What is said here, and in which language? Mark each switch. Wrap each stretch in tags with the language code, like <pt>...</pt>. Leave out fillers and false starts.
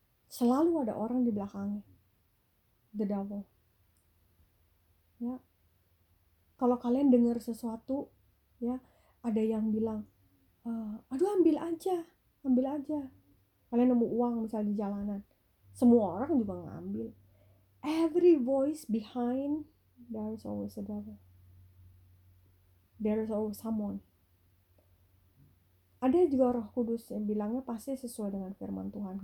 <id>Selalu ada orang di belakangnya.</id> <en>The devil.</en> <id>Ya. Kalau kalian dengar sesuatu, ya, ada yang bilang, aduh ambil aja, ambil aja. Kalian nemu uang misalnya di jalanan, semua orang juga ngambil.</id> <en>Every voice behind, there is always a devil. There is always someone.</en> <id>Ada juga Roh Kudus yang bilangnya pasti sesuai dengan firman Tuhan.</id>